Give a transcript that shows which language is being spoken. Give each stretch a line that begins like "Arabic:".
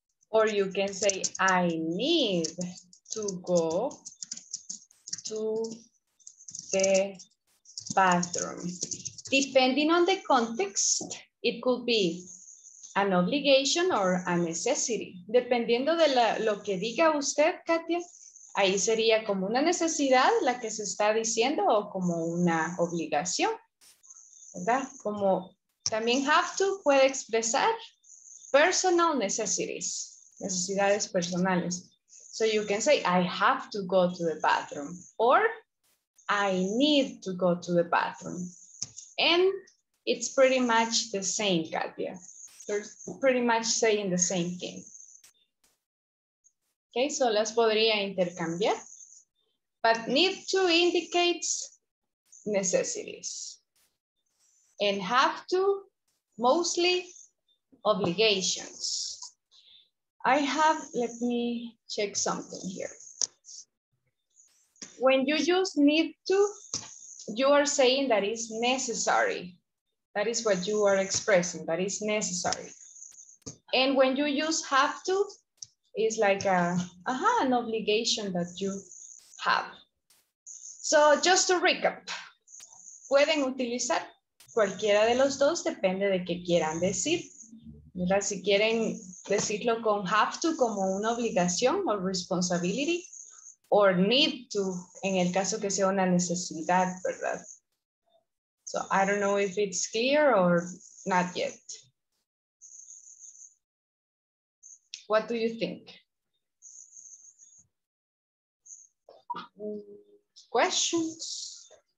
English: Or you can say, I need to go to the bathroom. Depending on the context, it could be an obligation or a necessity.
Spanish: Dependiendo de lo que diga usted, Katia, ahí sería como una necesidad la que se está diciendo o como una obligación, ¿verdad? Como también have to puede expresar
English: personal necessities,
Spanish: necesidades personales.
English: So you can say, I have to go to the bathroom, or I need to go to the bathroom. And it's pretty much the same, Katia. They're pretty much saying the same thing. Okay, so
Spanish: las podría intercambiar.
English: But need to indicates necessities. And have to, mostly obligations. I have, let me check something here. When you use need to, you are saying that it's necessary. That is what you are expressing, that is necessary. And when you use have to, it's like an obligation that you have. So just to recap,
Spanish: pueden utilizar cualquiera de los dos, depende de qué quieran decir. ¿Verdad? Si quieren decirlo con have to como una obligación o responsibility, o need to en el caso que sea una necesidad, ¿verdad?
English: So I don't know if it's clear or not yet. What do you think? Questions?